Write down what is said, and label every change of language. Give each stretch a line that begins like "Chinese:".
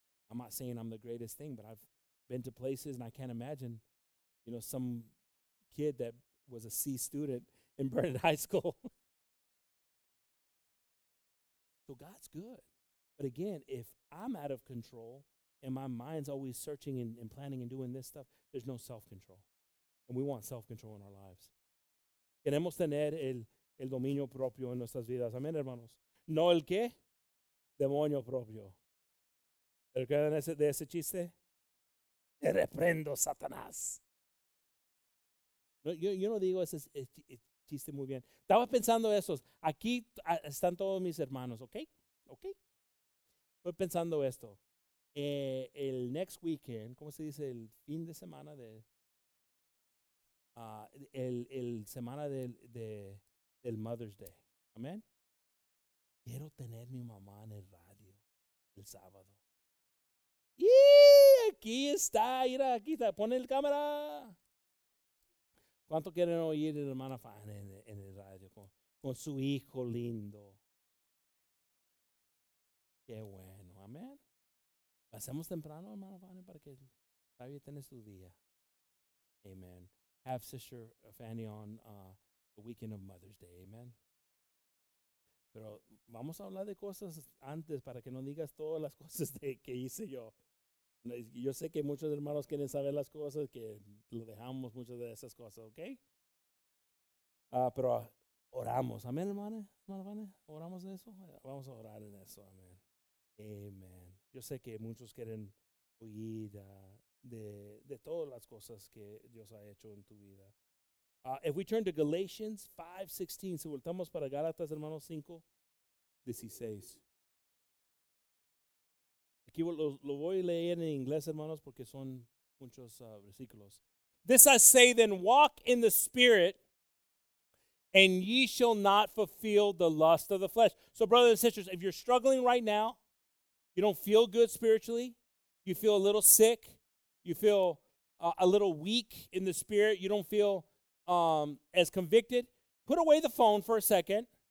English: I'm not saying I'm the greatest thing, but I've been to places, and I can't imagine, some kid that was a C student in Brennan High School. So God's good. But again, if I'm out of control and my mind's always searching and planning and doing this stuff, there's no self-control. And we want self-control in our lives.
Spanish: Queremos tener el dominio propio en nuestras vidas. Amén, hermanos. No el qué, demonio propio. ¿Recuerdan de ese chiste? Te reprendo, Satanás. No, yo no digo ese chiste muy bien. Estaba pensando eso. Aquí están todos mis hermanos, ¿ok? ¿Ok? Estoy pensando esto. El
English: next weekend,
Spanish: ¿cómo se dice? El fin de semana de... El semana del Mother's Day. ¿Amén? Quiero tener mi mamá en el radio el sábado. ¡Y aquí está! ¡Mira, aquí está! ¡Pone la cámara! ¿Cuánto quieren oír a la hermana Fan en el radio con su hijo lindo? ¡Qué bueno! ¿Amén? Pasemos temprano, hermana Fan, para que todavía tenga su día. ¡Amén!
English: Have Sister Fanny on the weekend of Mother's Day. Amen.
Spanish: Pero vamos a hablar de cosas antes para que no digas todas las cosas que hice yo. Yo sé que muchos hermanos quieren saber las cosas, que lo dejamos muchas de esas cosas, ¿ok? Pero oramos. Amén, hermanos. ¿Oramos de eso? Vamos a orar en eso. Amén. Amen. Yo sé que muchos quieren oír de todas las cosas que Dios ha hecho en tu vida.
English: If we turn to Galatians 5:16,
Spanish: si voltamos para Gálatas, hermanos, 5:16. Aquí lo voy a leer en inglés, hermanos, porque son muchos versículos.
English: This I say then, walk in the Spirit, and ye shall not fulfill the lust of the flesh. So, brothers and sisters, if you're struggling right now, you don't feel good spiritually, you feel a little sick, you feel a little weak in the spirit, you don't feel as convicted, put away the phone for a second.